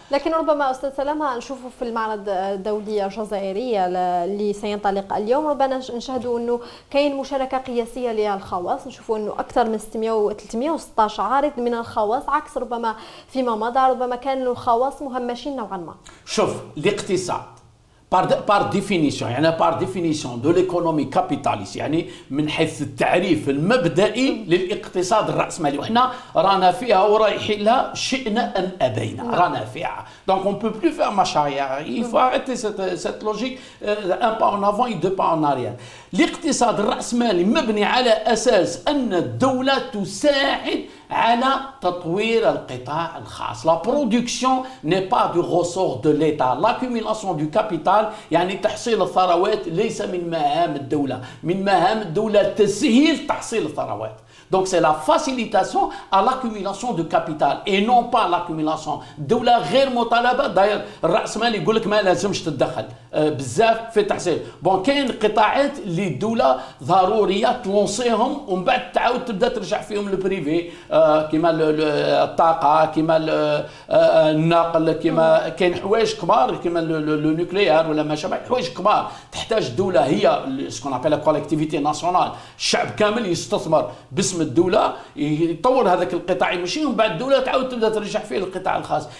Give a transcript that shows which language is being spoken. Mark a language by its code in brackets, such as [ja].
[ar] لكن ربما استاذ سلامه نشوفوا في المعرض الدوليه الجزائريه اللي سينطلق اليوم، ربما نشاهدوا انه كاين مشاركه قياسيه للخواص، نشوفوا انه اكثر من 316 عارض من الخواص، عكس ربما فيما مضى ربما كان الخواص مهمشين نوعا ما. شوف الاقتصاد [fr] par définition [ar] يعني [fr] par définition de l'économie capitaliste [ar] يعني من حيث التعريف المبدئي للاقتصاد الرأسمالي، وحنا رانا فيها ورايحين لها شئنا أم أبينا رانا فيها. [fr] donc on peut plus faire marche arrière، il faut arrêter cette logique un pas en avant et deux pas en arrière. [ar] الاقتصاد الرأسمالي مبني على أساس أن الدولة تساعد على تطوير القطاع الخاص. [fr] La production n'est pas du ressort de l'État. L'accumulation du capital [ar] يعني تحصيل الثروات ليس من مهام الدولة، من مهام الدولة تسهيل تحصيل الثروات. [fr] Donc c'est la facilitation à l'accumulation du capital et non pas l'accumulation. [ar] الدولة غير مطالبة. D'ailleurs الرأسمالي يقول لك ما لازمش تدخل بزاف في التحصيل. بون كاين قطاعات اللي الدولة ضرورية تلونسيهم ومن بعد تعاود تبدا ترجع فيهم للبريفي، كيما الطاقة، كيما النقل، كيما كاين حوايج كبار كيما لو نوكليير ولا ما شابه، حوايج كبار تحتاج الدولة هي [fr] سكون ابيلا كوليكتيفيتي ناسيونال، [ar] الشعب كامل يستثمر باسم الدولة يطور هذاك القطاع يمشي، ومن بعد الدولة تعاود تبدا ترجع فيه للقطاع الخاص.